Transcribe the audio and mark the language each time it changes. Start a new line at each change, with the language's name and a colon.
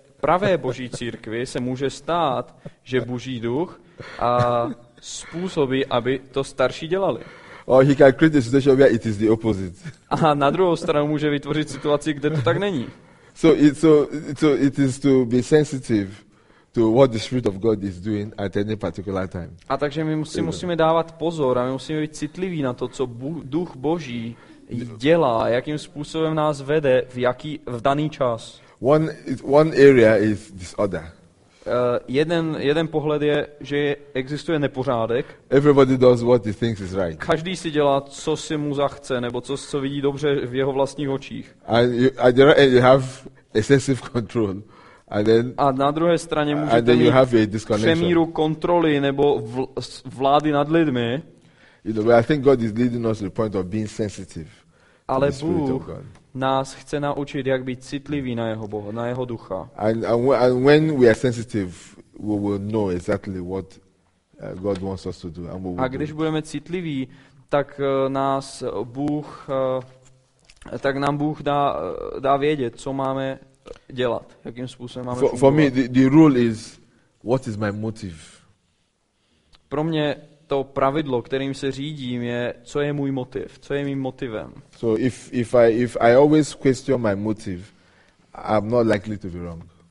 Czech: pravé Boží církvi se může stát, že Boží duch a způsobí, aby to starší dělali.
English: Or he can create a situation where it is the opposite.
Czech: A na druhou stranu může vytvořit situaci, kde to tak není.
English: So it is to be sensitive to what the Spirit of God is doing at any particular time.
Czech: A takže my musíme dávat pozor a my musíme být citliví na to, co duch Boží dělá, jakým způsobem nás vede v daný čas.
English: One area is disorder.
Czech: Jeden pohled je, že existuje nepořádek.
English: Everybody does what he thinks is right.
Czech: Každý si dělá, co si mu zachce, nebo co vidí dobře v jeho vlastních očích.
English: And you have excessive control. And then,
Czech: a na druhé straně můžete mít přemíru kontroly nebo vlády nad lidmi.
English: You know, but I think God is leading us to the point of being sensitive.
Czech: Ale Bůh nás chce naučit, jak být citlivý na jeho Boha, na jeho ducha.
English: And when we are sensitive, we will know exactly what God wants us to do. And
Czech: a když budeme citliví, tak nás Bůh, tak nám Bůh dá vědět, co máme dělat, jakým způsobem máme fungovat.
English: For me, the rule is, what is my motive?
Czech: Pro mě to pravidlo, kterým se řídím, je co je můj motiv, co je mým motivem.
English: So if I always question my motive, I'm not likely to be wrong.